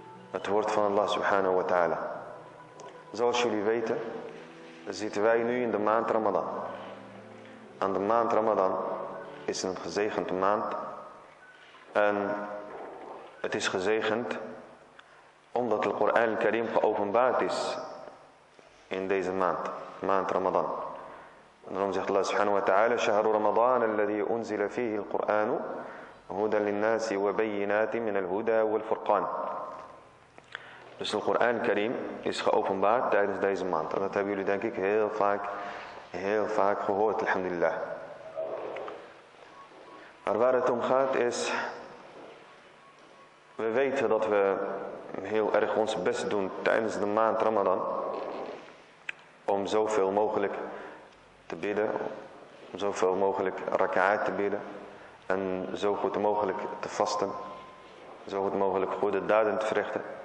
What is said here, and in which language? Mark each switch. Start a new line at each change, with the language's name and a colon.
Dutch: Het woord van Allah subhanahu wa ta'ala. Zoals jullie weten, zitten wij nu in de maand Ramadan. En de maand Ramadan is een gezegende maand. En het is gezegend omdat de Koran al-Karim geopenbaard is in deze maand, de maand Ramadan. En daarom zegt Allah subhanahu wa ta'ala:
Arabic: شهر رمضان الذي أنزل فيه القرآن هدى للناس وبينات من الهدى والفرقان.
Dutch: Dus de Koran Karim is geopenbaard tijdens deze maand. En dat hebben jullie denk ik heel vaak gehoord, alhamdulillah. Maar waar het om gaat is, we weten dat we heel erg ons best doen tijdens de maand Ramadan om zoveel mogelijk te bidden, om zoveel mogelijk raka'at te bidden en zo goed mogelijk te vasten, zo goed mogelijk goede daden te verrichten.